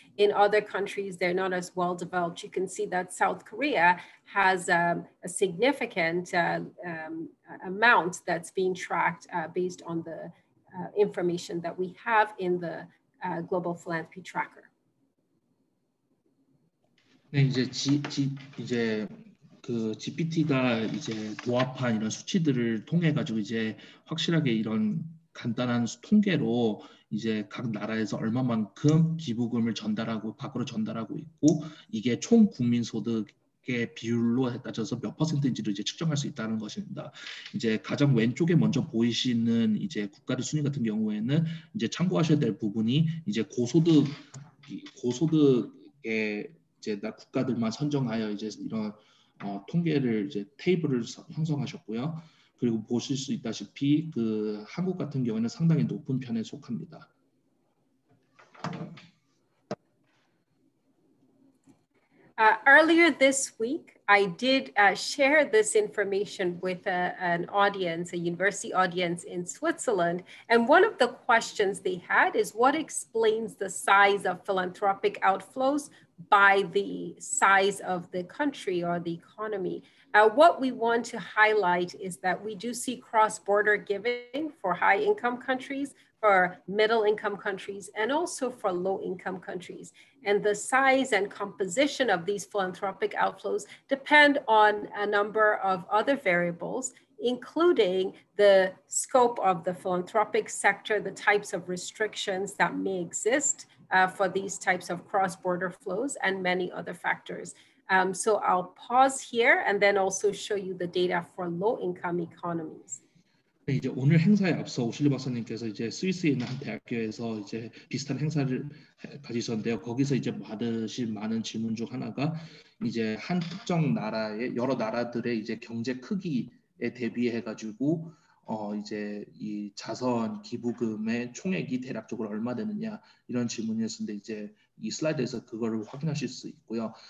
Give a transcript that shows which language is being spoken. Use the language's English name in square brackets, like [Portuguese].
[English] In other countries, they're not as well developed. You can see that South Korea has a significant amount that's being tracked based on the information that we have in the Global Philanthropy Tracker. [Korean] 네, 이제 이제 그 GPT가 이제 도합한 이런 수치들을 통해 가지고 이제 확실하게 이런 간단한 통계로 이제 각 나라에서 얼마만큼 기부금을 전달하고 밖으로 전달하고 있고 이게 총 국민 소득 비율로 따져서 몇 퍼센트인지를 이제 측정할 수 있다는 것입니다. 이제 가장 왼쪽에 먼저 보이시는 이제 국가들 순위 같은 경우에는 이제 참고하셔야 될 부분이 이제 고소득의 이제 나 국가들만 선정하여 이제 이런 통계를 이제 테이블을 형성하셨고요. 그리고 보실 수 있다시피 그 한국 같은 경우에는 상당히 높은 편에 속합니다. [English] Earlier this week, I did share this information with an audience, a university audience in Switzerland. And one of the questions they had is what explains the size of philanthropic outflows by the size of the country or the economy? What we want to highlight is that we do see cross-border giving for high-income countries, for middle-income countries, and also for low-income countries. And the size and composition of these philanthropic outflows depend on a number of other variables, including the scope of the philanthropic sector, the types of restrictions that may exist for these types of cross-border flows, and many other factors. So I'll pause here and then also show you the data for low-income economies. [Korean] 네, 이제 오늘 행사에 앞서 오실리 박사님께서 이제 스위스에 있는 한 대학교에서 이제 비슷한 행사를 가지셨는데요. 거기서 이제 받으신 많은 질문 중 하나가 이제 한 특정 나라의 여러 나라들의 이제 경제 크기에 대비해 가지고 이제 이 자선 기부금의 총액이 대략적으로 얼마 되느냐 이런 질문이었는데 이제 이 슬라이드에서 그거를 확인하실 수 있고요.